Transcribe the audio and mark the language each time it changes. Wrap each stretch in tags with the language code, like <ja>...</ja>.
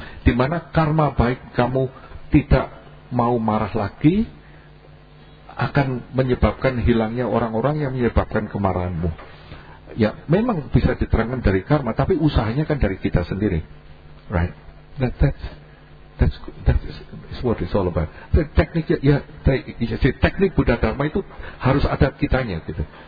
<id>Dimana karma baik kamu tidak mau marah lagi akan menyebabkan hilangnya orang-orang yang menyebabkan kemarahanmu. Ya, memang bisa diterangkan dari karma, tapi usahanya kan dari kita sendiri, right?</id> <en>That's what it's all about.</en> <id>Teknik Buddha Dharma itu harus ada kitanya, gitu.</id>